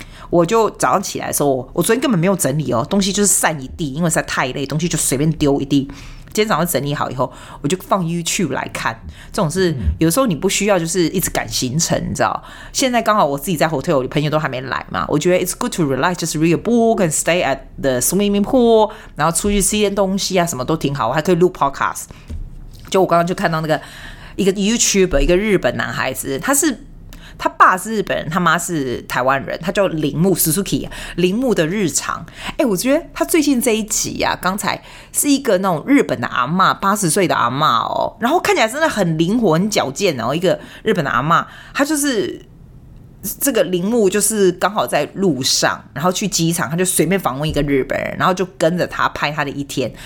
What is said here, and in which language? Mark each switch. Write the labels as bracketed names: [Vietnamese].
[Chinese] 我就早上起来的时候，我昨天根本没有整理哦，东西就是散一地，因为实在太累，东西就随便丢一地。今天早上整理好以后，我就放 YouTube 来看。这种事有时候你不需要就是一直赶行程，你知道？现在刚好我自己在 hotel， 我的朋友都还没来嘛。我觉得 [English] it's good to relax, just read a book and stay at the swimming pool， [Chinese] 然后出去吃点东西啊，什么都挺好。我还可以录 [English] podcast。 [Chinese] 就我刚刚就看到那个一个 YouTuber， 一个日本男孩子，他爸是日本人，他妈是台湾人，他叫铃木 Suzuki， 铃木的日常。欸，我觉得他最近这一集啊，刚才是一个那种日本的阿嬷，80岁的阿嬷哦，然后看起来真的很灵活、很矫健哦，一个日本的阿嬷，他就是这个铃木，就是刚好在路上，然后去机场，他就随便访问一个日本人，然后就跟着他拍他的一天。